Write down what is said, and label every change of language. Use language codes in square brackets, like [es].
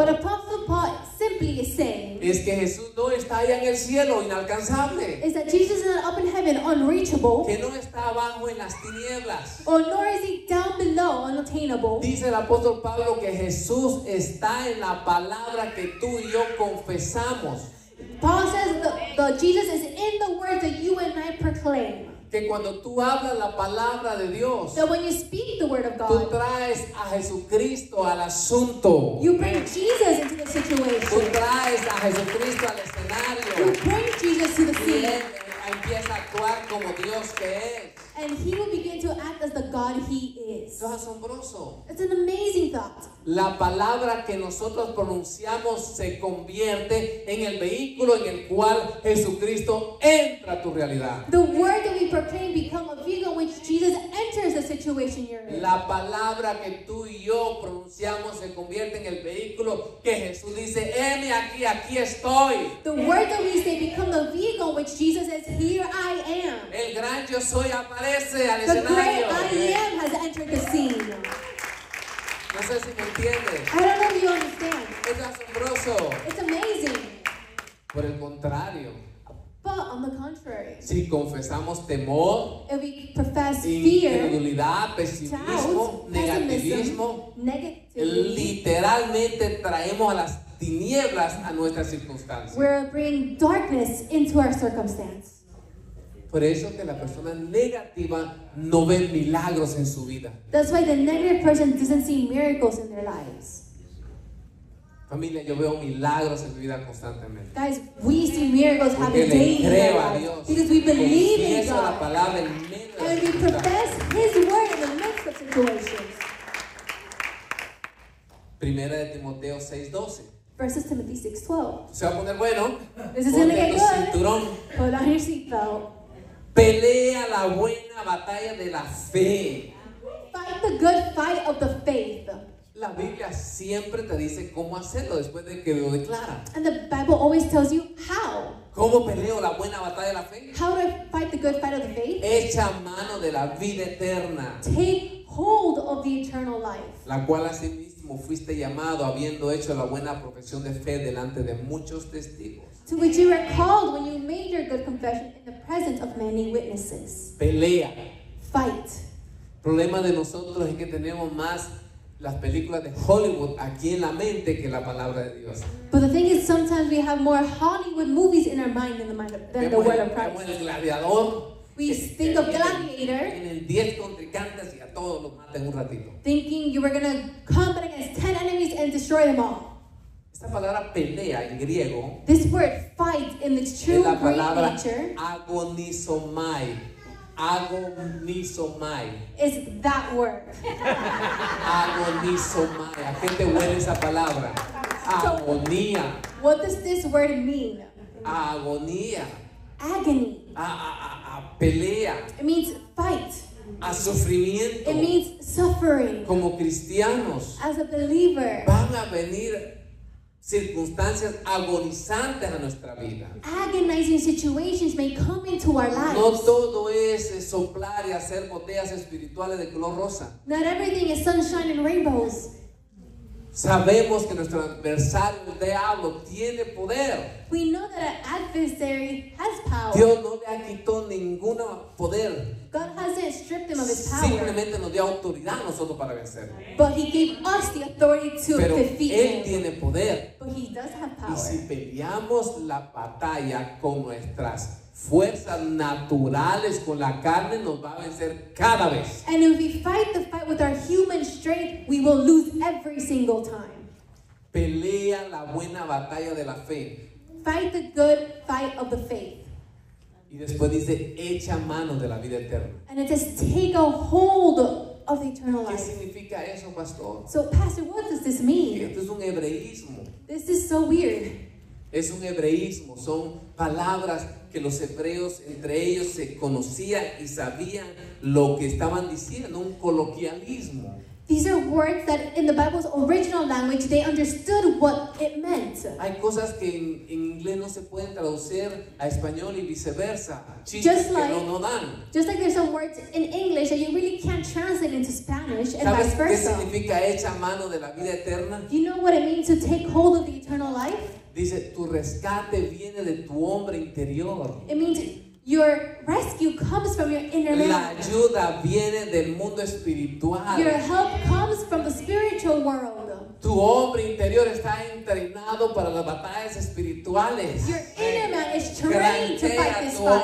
[en] What Apostle Paul simply is saying. [es] Es que Jesús no está allá en el cielo, inalcanzable. [en] Is that Jesus is not up in heaven, unreachable. [es] Que no está abajo en las tinieblas. [en] Or nor is he down below, unattainable. [es] Dice el apóstol Pablo que Jesús está en la palabra que tú y yo confesamos. [en] Paul says that Jesus is in the word that you and I proclaim. [es] Que cuando tú hablas la palabra de Dios, [en] that when you speak the word of God, [es] tú traes a Jesucristo al asunto. [en] You bring Jesus into the situation. [es] Tú traes a Jesucristo al escenario. [en] You bring Jesus to the scene. [es] Y él empieza a actuar como Dios que es. [en] And he will begin to act as the God he is. [es] Es asombroso. [en] It's an amazing thought. [es] La palabra que nosotros pronunciamos se convierte en el vehículo en el cual Jesucristo entra a tu realidad. [en] The word that we proclaim becomes a vehicle in which Jesus enters the situation you're in. [es] La palabra que tú y yo pronunciamos se convierte en el vehículo que Jesús dice, heme aquí, aquí estoy. [en] The word that we say becomes a vehicle in which Jesus says, here I am. [es] El gran yo soy aparece al [en] the [es] escenario. [en] The great I am has entered the scene. [es] No sé si me entiendes. [en] I don't know if you understand. [es] Es asombroso. [en] It's amazing. [es] Por el contrario. [en] But on the contrary. [es] Si confesamos temor. [en] If we profess [es] incredulidad, pesimismo, negativismo. Literalmente traemos a las tinieblas a nuestras circunstancias. [en] We're bringing darkness into our circumstance. [es] Por eso que la persona negativa no ve milagros en su vida. [en] That's why the negative person doesn't see miracles in their lives. [es] Familia, yo veo milagros en mi vida constantemente. [en] Guys, we see miracles happening daily. [es] Porque le creo a Dios. [en] Because we believe in God. [es] Confieso la palabra en medio de la situación. [en] And we profess His word in the midst of situations. [es] Primera de Timoteo 6:12. [en] Verses Timothy 6:12. [es] Se va a poner bueno. [en] This is going to get good. [es] Ponte tu cinturón. [en] Put on your seatbelt. [es] Pelea la buena batalla de la fe. [en] Fight the good fight of the faith. [es] La Biblia siempre te dice cómo hacerlo después de que lo declara. [en] And the Bible always tells you how. [es] ¿Cómo peleo la buena batalla de la fe? [en] How do I fight the good fight of the faith? [es] Echa mano de la vida eterna. [en] Take hold of the eternal life. [es] La cual asimismo fuiste llamado habiendo hecho la buena profesión de fe delante de muchos testigos. [en] To which you were called when you made your good confession in the presence of many witnesses. [es] Pelea. [en] Fight. [es] Problema de nosotros es que tenemos más las películas de Hollywood aquí en la mente que la palabra de Dios. [en] But the thing is, sometimes we have more Hollywood movies in our mind than the mind of, than [es] vemos [en] the word of Christ. [es] El gladiador. [en] We think of Gladiator. [es] En el 10 contrincantes y a todos los maten un ratito. [en] Thinking you were going to combat against 10 enemies and destroy them all. [es] Esta palabra pelea en griego. [en] This word fight in its true Greek nature. [es] Es la palabra agonizomai. [en] Agonizomai. Is that word? Agonizomai. [es] ¿A qué te huele esa palabra? Agonía. [en] So, what does this word mean? [es] Agonía. [en] Agony. [es] A pelea. [en] It means fight. [es] A sufrimiento. [en] It means suffering. [es] Como cristianos. [en] As a believer. [es] Van a venir circunstancias agonizantes a nuestra vida. [en] Agonizing situations may come into our lives. [es] No todo es soplar y hacer botellas espirituales de color rosa. [en] Not everything is sunshine and rainbows. [es] Sabemos que nuestro adversario, el diablo, tiene poder. [en] We know that our adversary has power. [es] Dios no le ha quitado ningún poder. [en] God hasn't stripped him of his power. [es] Simplemente nos dio autoridad a nosotros para vencerlo. [en] But he gave us the authority to [es] Pero [en] defeat him. [es] Él tiene poder. [en] But he does have power. [es] Y si peleamos la batalla con nuestras fuerzas naturales, con la carne, nos va a vencer cada vez. [en] And if we fight the fight with our human strength, we will lose every single time. [es] Pelea la buena batalla de la fe. [en] Fight the good fight of the faith. [es] Y después dice, echa mano de la vida eterna. [en] And it says, take a hold of the eternal life. [es] ¿Qué significa eso, pastor? [en] So, pastor, what does this mean? [es] Esto es un hebreísmo. [en] This is so weird. [es] Es un hebreísmo, son palabras que los hebreos entre ellos se conocían y sabían lo que estaban diciendo, un coloquialismo. [en] These are words that in the Bible's original language they understood what it meant. [es] Hay cosas que en inglés no se pueden traducir a español y viceversa. Chistes [en] just like, [es] que no dan. [en] Just like there's some words in English that you really can't translate into Spanish and [es] ¿sabes [en] vice versa. [es] ¿Qué significa echa mano de la vida eterna? [en] You know what it means to take hold of the eternal life? [es] Dice, tu rescate viene de tu hombre interior. [en] It means your rescue comes from your inner man. [es] La ayuda viene del mundo espiritual. [en] Your help comes from the spiritual world. [es] Tu hombre interior está entrenado para las batallas espirituales. [en] Your inner man is trained to fight this fight.